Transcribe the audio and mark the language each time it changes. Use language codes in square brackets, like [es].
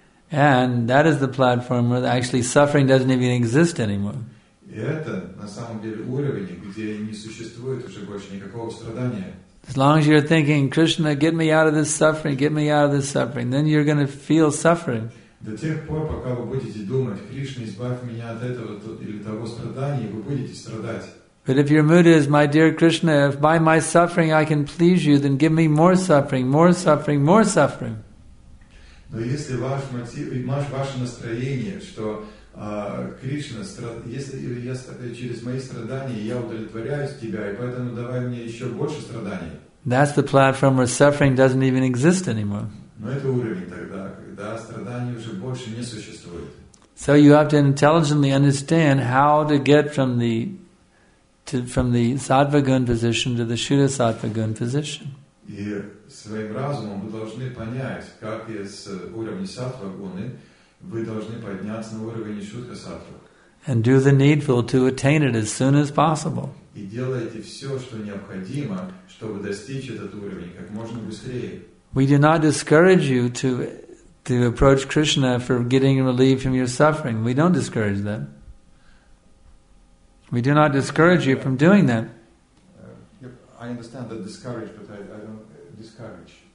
[en] And that is the platform where actually suffering doesn't even exist anymore. As long as you're thinking, Krishna, get me out of this suffering, get me out of this suffering, then you're going to feel suffering. [ru] До тех пор, пока вы будете думать, Кришна, избавь меня от этого или того страдания, вы будете страдать. [en] But if your mood is, my dear Krishna, if by my suffering I can please you, then give me more suffering, more suffering, more suffering. [ru] Но если ваш мотив, ваше настроение, что Кришна, если я через мои страдания я удовлетворяюсь тебя, и поэтому давай мне еще больше страданий. [en] That's the platform where suffering doesn't even exist anymore. [ru] Но это уровень тогда, когда страдания уже больше не существует. [en] So you have to intelligently understand how to get from the sattva-gun position to the shuddha-sattva-gun position. [ru] И своим разумом вы должны понять, как из уровня сатва-гуны вы должны подняться на уровень шутха-сатвы. [en] And do the needful to attain it as soon as possible. [ru] И делайте все, что необходимо, чтобы достичь этот уровень как можно быстрее. [en] We do not discourage you to approach Krishna for getting relief from your suffering. We don't discourage that. We do not discourage you from doing that. Yep, I understand that discourage, but I don't discourage.